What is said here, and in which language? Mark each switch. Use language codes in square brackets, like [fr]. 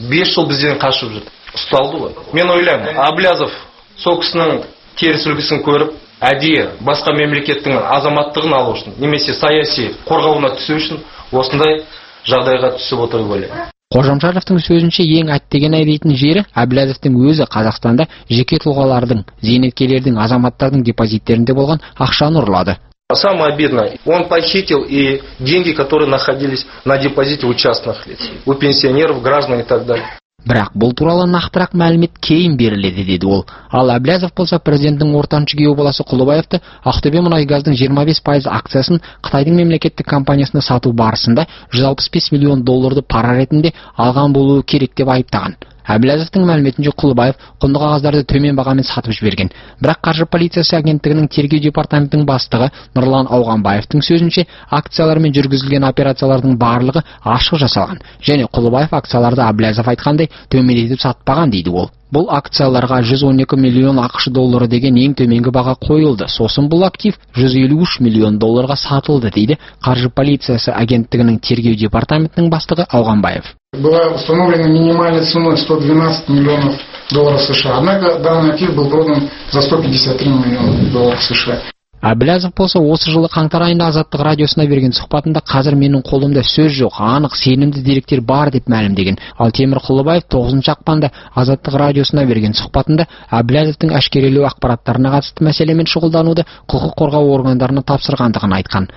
[kk] 5 жыл бізден қашып жүрді. Ұсталды ғой. Мен ойлаймын, Әбләзов сол кісінің теріс үлгісін көріп, әдейі басқа мемлекеттің азаматтығын алу үшін, немесе саяси қорғауына түсу үшін осындай жағдайға түсіп отыр деп ойлаймын. Қожамжаровтың сөзінше ең әттеген айдейтін жері Әбләзовтың өзі Қазақстанда жеке тұлғалардың, зейнеткерлердің, азаматтардың депозиттерінде болған ақшаны ұрлады. [ru] Самое обидное, он похитил и деньги, которые находились на депозите у частных лиц, у пенсионеров, граждан и так далее. [kk] Бірақ бұл туралы нақтырақ мәлімет кейін беріледі деді ол. Ал Әбләзов болса президенттің ортаншы күйеу баласы Құлыбаевты Ақтөбе мұнайгаздың 25% акциясын Қытайдың мемлекеттік компаниясына сату барысында 165 миллион долларды пара ретінде алған болуы керек деп айыптаған. Әбләзовтың мәліметінше Құлыбаев құнды қағаздарды төмен бағамен сатып жіберген. Бірақ қаржы полициясы агенттігінің тергеу департаментінің бастығы Нұрлан Ауғанбаевтың сөзінше, акциялармен жүргізілген операциялардың барлығы ашық жасалған және Құлыбаев акцияларды Әбләзов айтқандай төмендетіп сатпаған дейді ол. Бұл акцияларға 112 миллион ақш доллары деген ең төменгі баға қойылды. Сосын бұл актив 153 миллион долларға сатылды дейді қаржы полициясы агенттігінің тергеу департаментінің бастығы Ауғанбаев. [ru] Была установлена минимальная цена 112 миллионов долларов США. Однако данный актив был продан за 153 миллиона долларов США. [kk] Әбіләзіп болса, осы жылы қаңтар айында Азаттық радиосына берген сұхбатында «Қазір менің қолымда сөз жоқ, анық сенімді деректер бар» деп мәлімдеген. Ал Темір Құлыбаев 9 ақпанда Азаттық радиосына берген сұхбатында Әбіләзіптің әшкерелеу ақпараттарына қатысты мәселемен шұғылдануды құқық қорғау органдарына тапсырғандығын айтқан.